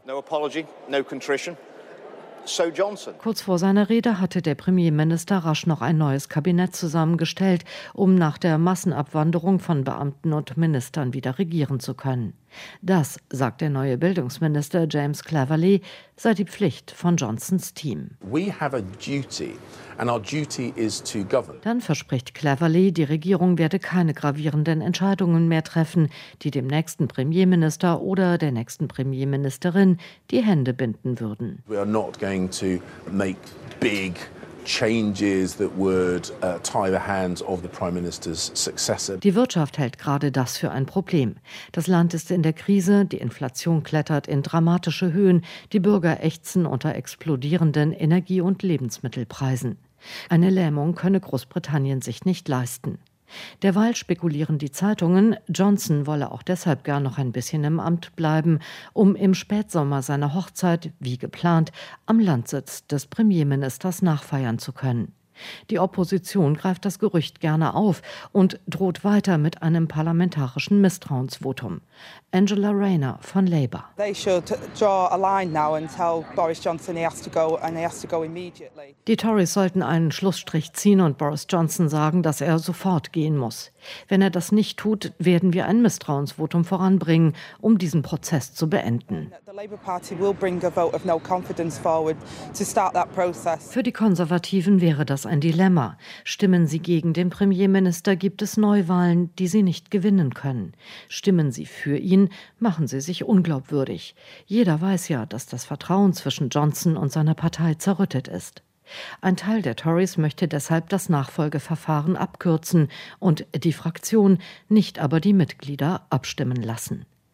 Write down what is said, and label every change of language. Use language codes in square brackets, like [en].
[en] No apology, no contrition. So Johnson. [de] Kurz vor seiner Rede hatte der Premierminister rasch noch ein neues Kabinett zusammengestellt, um nach der Massenabwanderung von Beamten und Ministern wieder regieren zu können. Das, sagt der neue Bildungsminister James Cleverly, sei die Pflicht von Johnsons Team. [en] We have a duty, and our duty is to govern. [de] Dann verspricht Cleverly, die Regierung werde keine gravierenden Entscheidungen mehr treffen, die dem nächsten Premierminister oder der nächsten Premierministerin die Hände binden würden. [en] We are not going to make big changes that would tie the hands of the Prime Minister's successor. [de] Die Wirtschaft hält gerade das für ein Problem. Das Land ist in der Krise, die Inflation klettert in dramatische Höhen, die Bürger ächzen unter explodierenden Energie- und Lebensmittelpreisen. Eine Lähmung könne Großbritannien sich nicht leisten. Derweil spekulieren die Zeitungen, Johnson wolle auch deshalb gern noch ein bisschen im Amt bleiben, um im Spätsommer seine Hochzeit, wie geplant, am Landsitz des Premierministers nachfeiern zu können. Die Opposition greift das Gerücht gerne auf und droht weiter mit einem parlamentarischen Misstrauensvotum. Angela Rayner von Labour. [en] They should draw a line now and tell Boris Johnson he has to go and he has to go immediately. [de] Die Tories sollten einen Schlussstrich ziehen und Boris Johnson sagen, dass er sofort gehen muss. Wenn er das nicht tut, werden wir ein Misstrauensvotum voranbringen, um diesen Prozess zu beenden. [en] The Labour Party will bring a vote of no confidence forward to start that process. [de] Für die Konservativen wäre das ein Dilemma. Stimmen sie gegen den Premierminister, gibt es Neuwahlen, die sie nicht gewinnen können. Stimmen sie für ihn, machen sie sich unglaubwürdig. Jeder weiß ja, dass das Vertrauen zwischen Johnson und seiner Partei zerrüttet ist. Ein Teil der Tories möchte deshalb das Nachfolgeverfahren abkürzen und die Fraktion, nicht aber die Mitglieder, abstimmen lassen.